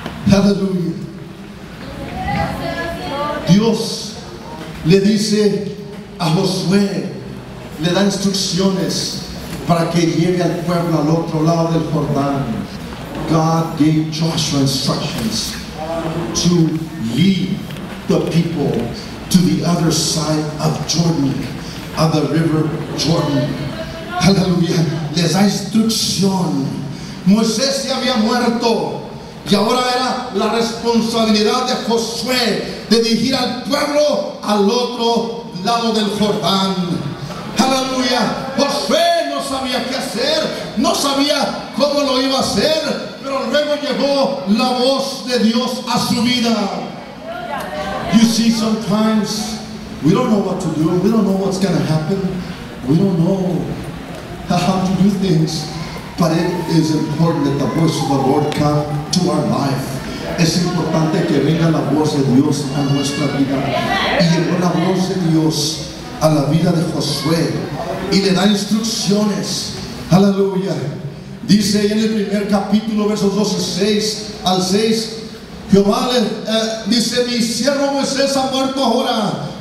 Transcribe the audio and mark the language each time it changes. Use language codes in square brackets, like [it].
[es] Aleluya. Dios le dice a Josué, le da instrucciones para que llegue al pueblo al otro lado del Jordán. [en] God gave Joshua instructions to lead the people to the other side of Jordan, of the river Jordan. [es] Aleluya. Les da instrucción. Moisés se había muerto. Y ahora era la responsabilidad de Josué de dirigir al pueblo al otro lado del Jordán. Aleluya. Josué no sabía qué hacer, no sabía cómo lo iba a hacer, pero luego llegó la voz de Dios a su vida. [en] You see, sometimes we don't know what to do, we don't know what's going to happen, we don't know how to do things. But it is important that the voice of the Lord come to our life. [es] Es importante que venga la voz de Dios a nuestra vida. Y llegó la voz de Dios a la vida de Josué y le da instrucciones. Aleluya. Dice en el primer capítulo, versos 12:6-6, Jehová le dice: mi siervo Moisés ha muerto ahora.